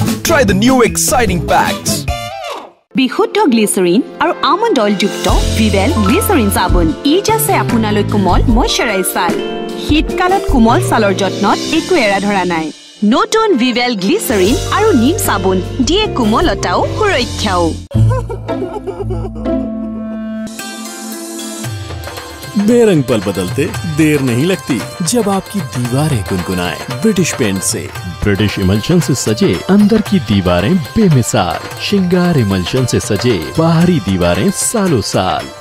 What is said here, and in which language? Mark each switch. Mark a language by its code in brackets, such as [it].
[en] Try the new exciting packs. [as] বিশুদ্ধ গ্লিচেরিন আৰু almond অইলযুক্ত Vivel গ্লিচেরিন সাবোন is আছে আপোনালৈ কোমল ময়শ্চৰাইজাল। শীতকালত কোমল ছালৰ যত্নত একো এৰা ধৰা নাই। নতুন ভিভেল গ্লিচেরিন আৰু নিম সাবোন দিয়ে কোমলতাও সুৰক্ষাও। [hi] बेरंग पल बदलते देर नहीं लगती जब आपकी दीवारें गुनगुनाए ब्रिटिश पेंट से। ब्रिटिश इमल्शन से सजे अंदर की दीवारें बेमिसाल। श्रृंगार इमल्शन से सजे बाहरी दीवारें सालों साल।